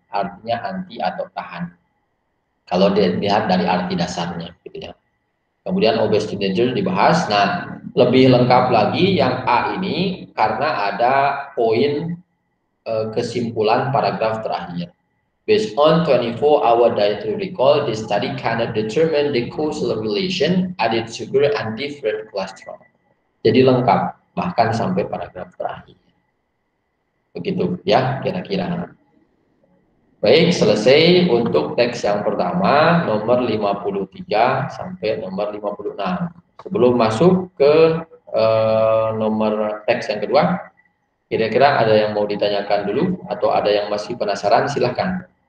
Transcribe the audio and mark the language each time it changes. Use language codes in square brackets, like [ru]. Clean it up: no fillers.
[id] Artinya anti atau tahan. Kalau dilihat dari arti dasarnya. Gitu ya. Kemudian obese teenager dibahas. Nah, lebih lengkap lagi yang A ini karena ada poin kesimpulan paragraf terakhir. [en] Based on 24-hour dietary recall, this study cannot determine the causal relation, added sugar, and different cholesterol. [id] Jadi lengkap, bahkan sampai paragraf terakhir. Begitu ya, kira-kira. Baik, selesai untuk teks yang pertama, nomor 53 sampai nomor 56. Sebelum masuk ke nomor teks yang kedua, kira-kira ada yang mau ditanyakan dulu, atau ada yang masih penasaran, silahkan.